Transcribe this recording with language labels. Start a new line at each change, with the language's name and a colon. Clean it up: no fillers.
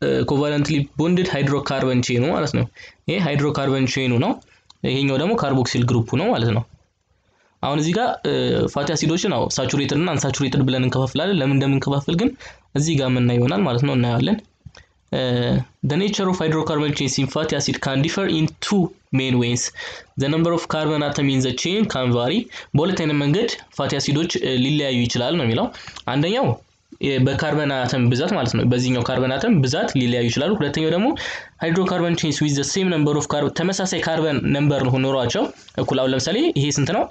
Amharic: ኮቫለንትሊ ቦንድድ ሃይድሮካርበን ቼኑ ማለት ነው። ይሄ ሃይድሮካርበን ቼኑ ነው። ይሄኛው ደግሞ ካርቦክሲል ግሩፑ ነው ማለት ነው። አሁን እዚህ ጋር ፋቲ አሲዶችን ነው ሳቹሬትድ እና አንሳቹሬትድ ብለን እንከፋፍላለን። ለምን እንደምንከፋፍል ግን እዚህ ጋር ምን ይሆናል ማለት ነው እናያለን።
English: The nature of hydrocarbon chains in fatty acid can differ in two main ways. The number of carbon atoms in the chain can vary.
Amharic: በሁለት አይነት መንገድ ፋቲ አሲዶች ሊለያዩ ይችላል ነው የሚለው። አንደኛው በካርበን አተም ብዛት ማለት ነው። በዚህኛው ካርበን አተም ብዛት ሊለያዩ ይችላሉ። ሁለተኛው ደግሞ
English: ሃይድሮካርበን ቼንስ ዊዝ ዘ ሴም ነምበር ኦፍ ካርበን፣
Amharic: ተመሳሳይ ካርበን ነምበር ነው ኖሯቸው እኩል። አሁን ለምሳሌ ይሄ ስንት ነው?